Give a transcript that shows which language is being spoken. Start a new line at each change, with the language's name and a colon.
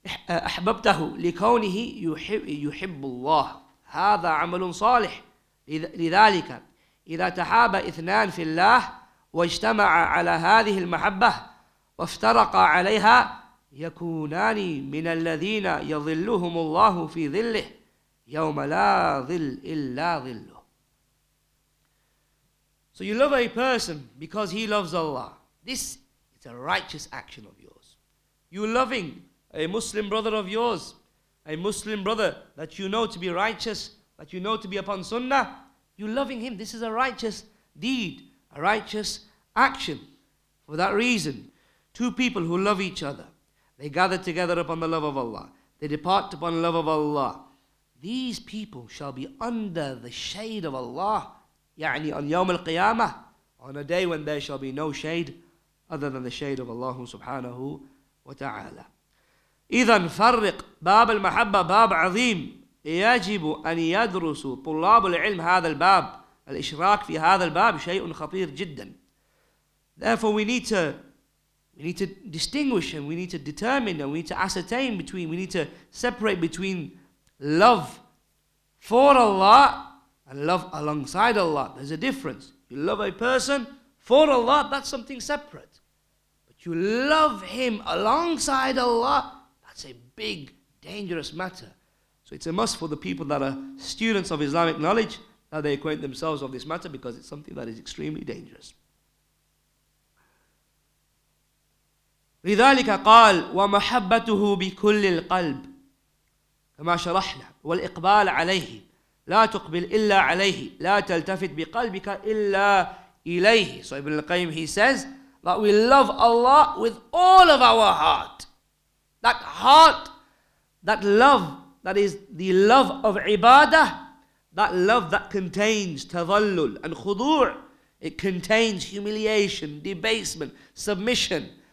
Arabic: أَحْبَبْتَهُ لِكَوْنِهِ يُحِبُّ اللَّهِ هَذَا عَمَلٌ صَالِحٌ لِذَلِكَ إِذَا تَحَابَ إِثْنَانٍ فِي اللَّهِ واجتمع على هذه المحبة وافترق عليها يكونان من الذين يظلهم الله في ظله يوم لا ظل إلا ظله.
English: So you love a person because he loves Allah. This is a righteous action of yours. You loving a Muslim brother of yours, a Muslim brother that you know to be righteous, that you know to be upon sunnah, you loving him, this is a righteous deed, a righteous action. For that reason, two people who love each other, they gather together upon the love of Allah, they depart upon the love of Allah, these people shall be under the shade of Allah, يعني on يوم القيامة, on a day when there shall be no shade other than the shade of Allah سبحانه وتعالى.
Arabic: إذن فرق باب المحبة باب عظيم يجب أن يدرس طلاب العلم هذا الباب الإشراك في هذا الباب شيء خطير جدا.
English: Therefore, we need to distinguish and we need to determine and we need to ascertain between, we need to separate between love for Allah and love alongside Allah. There's a difference. You love a person for Allah, that's something separate. But you love him alongside Allah, that's a big, dangerous matter. So it's a must for the people that are students of Islamic knowledge that they acquaint themselves of this matter, because it's something that is extremely dangerous.
Arabic: لذلك قال ومحبته بكل القلب كما شرحنا والإقبال عليه لا تقبل إلا عليه لا تلتفت بقلبك إلا إليه.
English: So Ibn al-Qayyim, he says that we love Allah with all of our heart. That heart, that love, that is the love of ibadah, that love that contains tadhallul and khudu', it contains humiliation, debasement, submission.